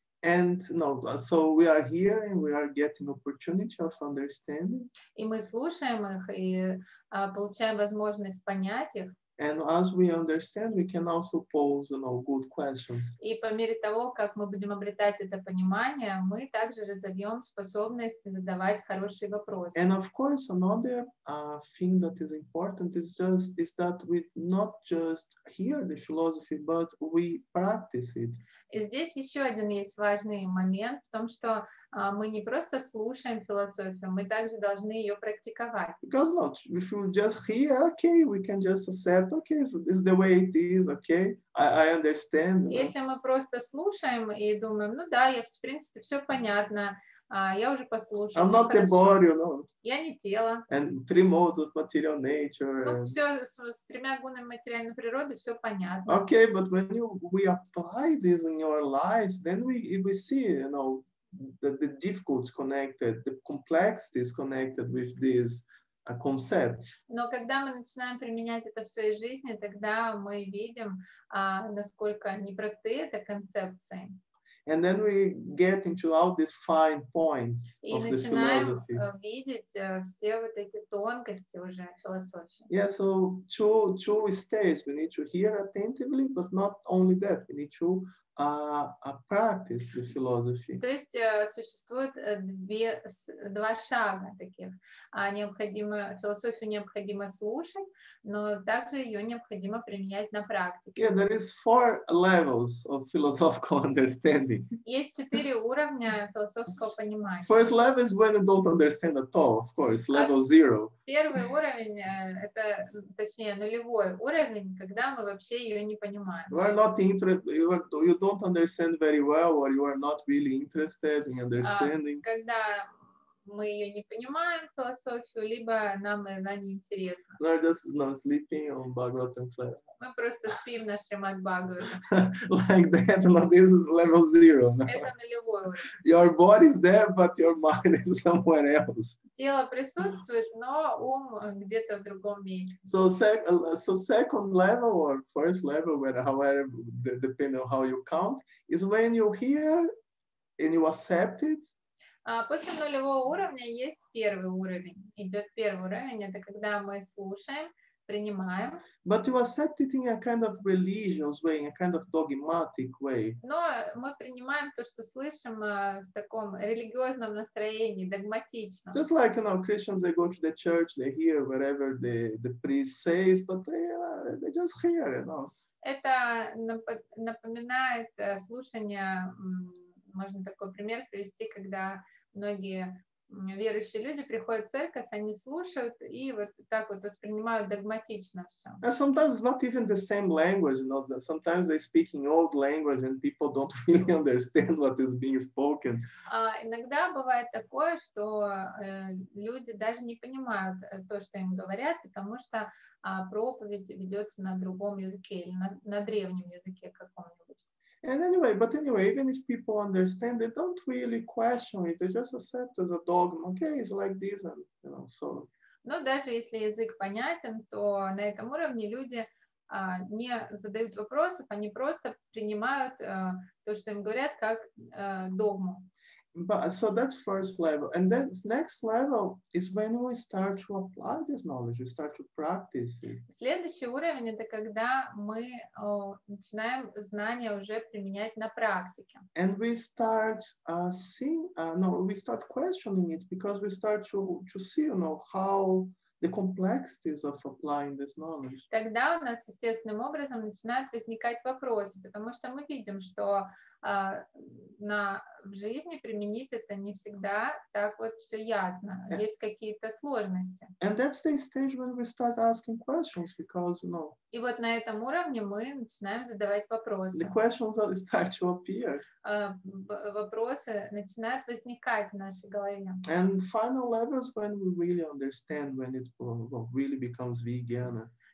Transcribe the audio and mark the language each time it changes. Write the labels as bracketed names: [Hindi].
[English] And no, so we are here and we are getting opportunity of understanding. [Russian] И мы слушаем их и получаем возможность понять их. [English] And as we understand, we can also pose, you know, good questions. [Russian] И по мере того, как мы будем обретать это понимание, мы также разовьем способность задавать хорошие вопросы. [English] And of course, another thing that is important is that we not just hear the philosophy, but we practice it. [Russian] И здесь еще один есть важный момент в том, что мы не просто слушаем философию, мы также должны ее практиковать. [English] Because not, if we just hear, okay, we can just accept, okay, so this is the way it is, okay, I understand. [Russian] Если мы просто слушаем и думаем, ну да, я в принципе все понятно, я уже послушал. [English] I'm not the body, you know. [Russian] Я не тело. [English] And three modes of material nature. [Russian] Ну, все с тремя гунами материальной природы, все понятно. [English] Okay, but when we apply this in our lives, then we see, you know, the difficulties connected, the complexities connected with these concepts. [Russian] Но когда мы начинаем применять это в своей жизни, тогда мы видим, насколько непростые это концепции. [English] And then we get into all these fine points of the philosophy. [Russian] Видеть, все вот эти тонкости уже философии. [English] Yeah, so two stages. We need to hear attentively, but not only that. We need to practice the philosophy. [Russian] То есть существует два шага таких. Необходимо философию необходимо слушать, но также ее необходимо применять на практике. [English] Yeah, there is four levels of philosophical understanding. [Russian] Есть четыре уровня философского понимания. [English] First level is when you don't understand at all, of course, level zero. [Russian] Первый уровень это, точнее, нулевой уровень, когда мы вообще ее не понимаем. [English] You are not interested. You don't understand very well, or you are not really interested in understanding. [Russian] Когда мы ее не понимаем философию, либо нам она не интересна. [English] We are just not sleeping on Bhagavatam class. [Russian] Мы просто спим на Шримад Бхагаватам. [English] Like that, no, this is level zero. [Russian] Это нулевой уровень. [English] Your body is there, but your mind is somewhere else. [Russian] Тело присутствует, но ум где-то в другом месте. [English] So second level or first level, however, depending on how you count, is when you hear and you accept it. [Russian] После нулевого уровня есть первый уровень. Идет первый уровень, это когда мы слушаем, принимаем. [English] But you accept it in a kind of religious way, in a kind of dogmatic way. [Russian] Но мы принимаем то, что слышим в таком религиозном настроении, догматичном. [English] Just like, you know, Christians, they go to the church, they hear whatever the priest says, but they just hear, you know. [Russian] Это напоминает слушание, можно такой пример привести, когда многие верующие люди приходят в церковь, они слушают и вот так вот воспринимают догматично все. [English] And sometimes it's not even the same language, you know. Sometimes they speak in old language and people don't really understand what is being spoken. [Russian] Иногда бывает такое, что люди даже не понимают то, что им говорят, потому что проповедь ведется на другом языке или на древнем языке каком-нибудь. [English] And anyway, but anyway, even if people understand, they don't really question it. They just accept as a dogma. Okay, it's like this, and you know, so. [Russian] Но даже если язык понятен, то на этом уровне люди не задают вопросов, они просто принимают то, что им говорят, как догму. [English] But so that's first level, and then next level is when we start to apply this knowledge, we start to practice it. [Russian] Следующий уровень это когда мы начинаем знания уже применять на практике. [English] And we start seeing, no, we start questioning it because we start to see, you know, how the complexities of applying this knowledge. [Russian] Тогда у нас естественным образом начинают возникать вопросы, потому что мы видим, что в жизни применить это не всегда так вот все ясно. Есть какие-то сложности. [English] And that's the stage when we start asking questions, because, you know, [Russian] и вот на этом уровне мы начинаем задавать вопросы. [English] The questions start to appear. [Russian] Вопросы начинают возникать в нашей голове. [English] And final levels when we really understand, when it really becomes vegan.